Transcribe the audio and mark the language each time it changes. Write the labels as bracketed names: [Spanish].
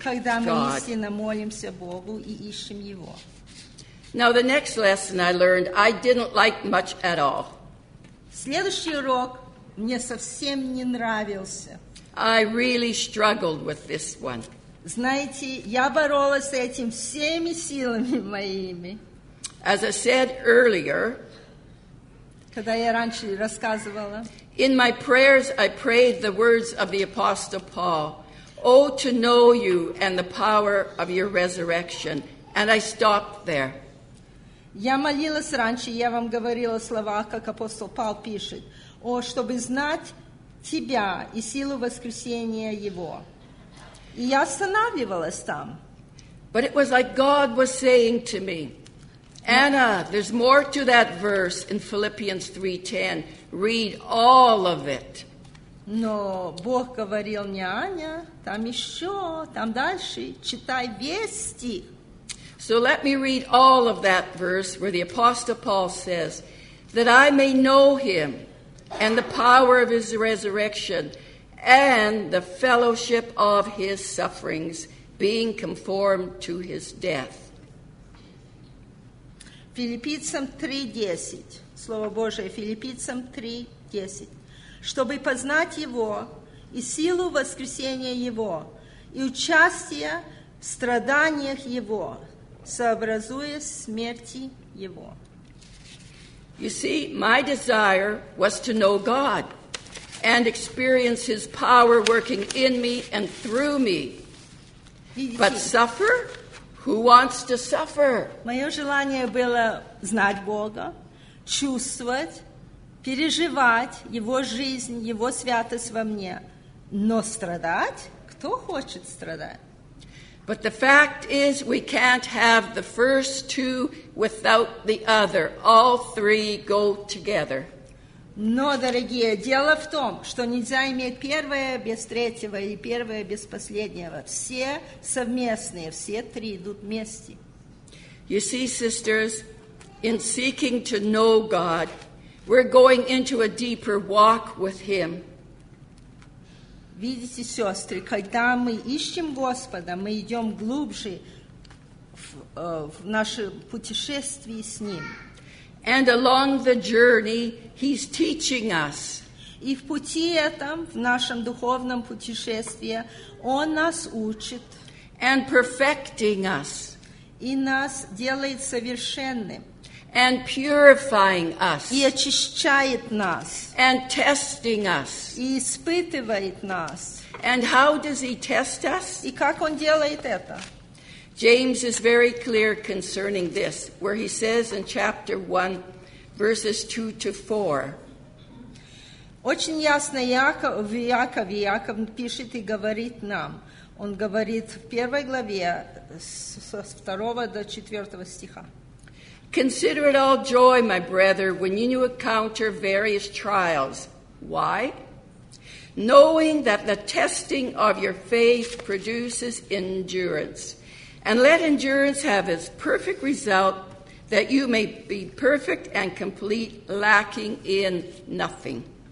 [Russian] Когда мы истинно молимся Богу и ищем Его. [English] Now the next lesson I learned, I didn't like much at all. [Russian] Следующий урок. Мне совсем не нравился. [English] I really struggled with this one. [Russian] Знаете, я боролась с этим всеми силами моими. [English] As I said earlier, [Russian] когда я раньше рассказывала. [English] In my prayers, I prayed the words of the Apostle Paul, "Oh, to know you and the power of your resurrection," and I stopped there. [Russian] Я молилась раньше, я вам говорила слова, как апостол Павел пишет, о, чтобы знать тебя и силу воскресения его. И я останавливалась там. [English] But it was like God was saying to me, Anna, there's more to that verse in Philippians 3:10. Read all of it. [Russian] Но Бог говорил мне, Аня, там еще, там дальше, читай весь стих. [English] So let me read all of that verse where the Apostle Paul says, that I may know him and the power of his resurrection and the fellowship of his sufferings, being conformed to his death. [Russian] Филиппийцам 3:10. Слово Божие, Филиппийцам 3:10. Чтобы познать его и силу воскресения его и участие в страданиях его, сообразуясь смерти его. [English] You see, my desire was to know God and experience his power working in me and through me. But suffer? Who wants to suffer? [Russian] Мое желание было знать Бога, чувствовать, переживать его жизнь, его святость во мне. Но страдать? Кто хочет страдать? [English] But the fact is, we can't have the first two without the other. All three go together. [Russian] Но, дорогие, дело в том, что нельзя иметь первое без третьего или первое без последнего. Все совместные, все три идут вместе. [English] You see, sisters, in seeking to know God, we're going into a deeper walk with Him. [Russian] Видите, сестры, когда мы ищем Господа, мы идем глубже в наше путешествие с Ним. [English] And along the journey, He's teaching us. [Russian] И в пути этом, в нашем духовном путешествии, Он нас учит. [English] And perfecting us. [Russian] И нас делает совершенным. [English] And purifying us. [Russian] И очищает нас. [English] And testing us. [Russian] И испытывает нас. [English] And how does he test us? [Russian] И как он делает это? [English] James is very clear concerning this, where he says in chapter 1, verses 2 to 4. [Russian] Очень ясно Яков, Яков пишет и говорит нам. Он говорит в первой главе со 2 до 4 стиха. [English] Consider it all joy, my brother, when you encounter various trials. Why? Knowing that the testing of your faith produces endurance. And let endurance have its perfect result, that you may be perfect and complete, lacking in nothing.